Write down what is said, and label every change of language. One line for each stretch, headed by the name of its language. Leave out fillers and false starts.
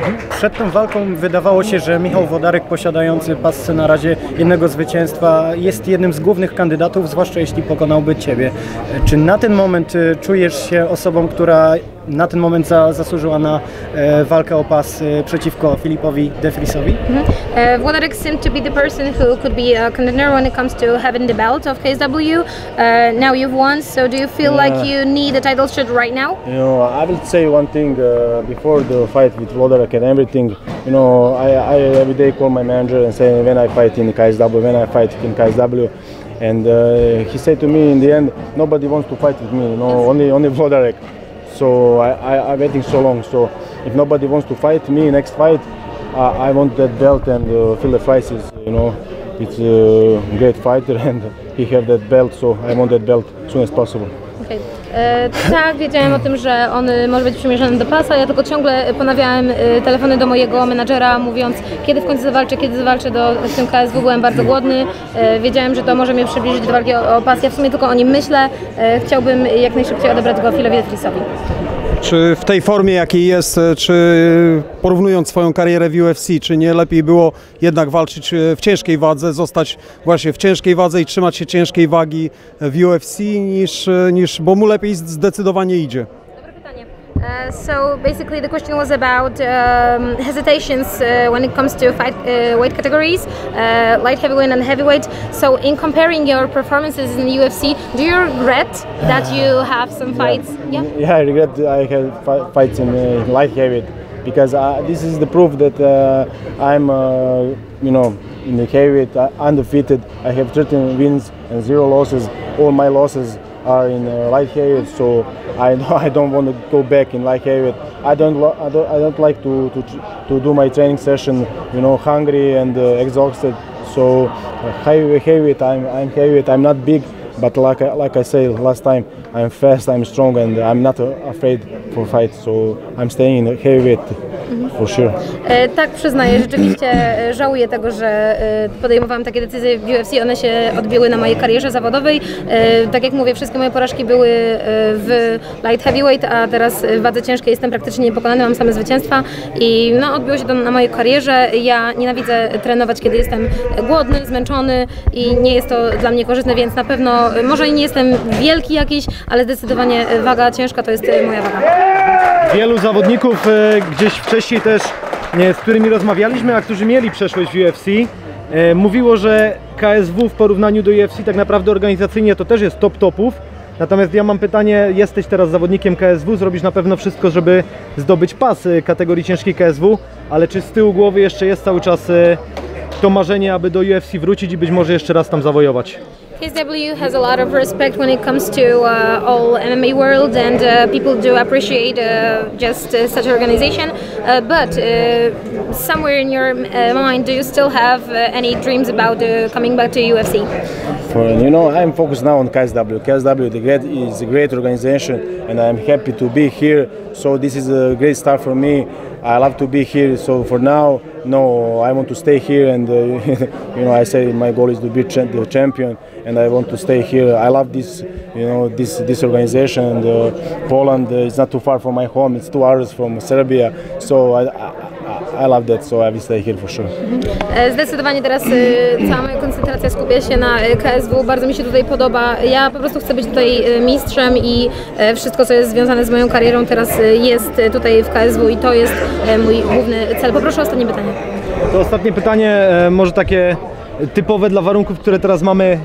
Polish: Przed tą walką wydawało wydawało się, że Michał Wodarek, posiadający pasce na razie jednego zwycięstwa, jest jednym z głównych kandydatów, zwłaszcza jeśli pokonałby Ciebie. Czy na ten moment czujesz się osobą, która na ten moment zasłużyła na walkę o pas przeciwko Filipowi De Vriesowi?
English: Wodarek seemed to be the person who could be a contender when it comes to having the belt of KSW. Now you've won, so do you feel like you need a title shot right now? You know, I will say one thing before the fight with Wodarek and everything. You know, I every day call my manager and say when I fight in KSW, when I fight in KSW. And he said to me in the end, nobody wants to fight with me, you know, only Wodarek. So I waiting so long. So if nobody wants to fight me next fight, I want that belt and Phil Fries is, you know, it's a great fighter and he have that belt. So I want that belt as soon as possible.
Polish: Tak, wiedziałem o tym, że on może być przymierzony do pasa. Ja tylko ciągle ponawiałem telefony do mojego menadżera, mówiąc, kiedy w końcu zawalczę, kiedy zawalczę do tym KSW. Byłem bardzo głodny. Wiedziałem, że to może mnie przybliżyć do walki o pas. Ja w sumie tylko o nim myślę. Chciałbym jak najszybciej odebrać go Filipowi De Vriesowi. Czy w tej formie, jakiej jest, czy porównując swoją karierę w UFC, czy nie lepiej było jednak walczyć w ciężkiej wadze, zostać właśnie w ciężkiej wadze i trzymać się ciężkiej wagi w UFC, niż bo mu lepiej zdecydowanie idzie?
English: So basically the question was about hesitations when it comes to fight weight categories, light heavyweight and heavyweight. So in comparing your performances in the UFC, do you regret that you have some fights? Yeah, I regret I have fights in light heavyweight, because this is the proof that I'm, you know, in the heavyweight undefeated. I have 13 wins and 0 losses. All my losses are in light heavyweight, so I don't want to go back in light heavyweight. I don't like to do my training session, you know, hungry and exhausted. So heavyweight, I'm heavyweight. I'm not big, but like I said last time, I'm fast, I'm strong, and I'm not afraid for fight. So I'm staying in heavyweight. For sure.
Polish: Tak, przyznaję, rzeczywiście żałuję tego, że podejmowałam takie decyzje w UFC. One się odbiły na mojej karierze zawodowej. Tak jak mówię, wszystkie moje porażki były w light heavyweight, a teraz w wadze ciężkiej jestem praktycznie niepokonany, mam same zwycięstwa i no, odbiło się to na mojej karierze. Ja nienawidzę trenować, kiedy jestem głodny, zmęczony i nie jest to dla mnie korzystne, więc na pewno, może nie jestem wielki jakiś, ale zdecydowanie waga ciężka to jest moja waga. Wielu zawodników gdzieś wcześniej też, z którymi rozmawialiśmy, a którzy mieli przeszłość w UFC, mówiło, że KSW w porównaniu do UFC tak naprawdę organizacyjnie to też jest top topów. Natomiast ja mam pytanie, jesteś teraz zawodnikiem KSW, zrobisz na pewno wszystko, żeby zdobyć pas kategorii ciężkiej KSW, ale czy z tyłu głowy jeszcze jest cały czas to marzenie, aby do UFC wrócić i być może jeszcze raz tam zawojować?
English: KSW has a lot of respect when it comes to all MMA world, and people do appreciate just such organization. But somewhere in your mind, do you still have any dreams about coming back to UFC? You know, I'm focused now on KSW. KSW is a great organization, and I'm happy to be here. So this is a great start for me. I love to be here. So for now, no, I want to stay here. And you know, I say my goal is to be the champion, and I want to stay here. I love this, you know, this organization. And Poland is not too far from my home. It's 2 hours from Serbia. So I love that, so I will stay here for sure.
Polish: Zdecydowanie teraz cała moja koncentracja skupia się na KSW. Bardzo mi się tutaj podoba. Ja po prostu chcę być tutaj mistrzem i wszystko, co jest związane z moją karierą, teraz jest tutaj w KSW i to jest mój główny cel. Poproszę o ostatnie pytanie. To ostatnie pytanie, może takie typowe dla warunków, które teraz mamy.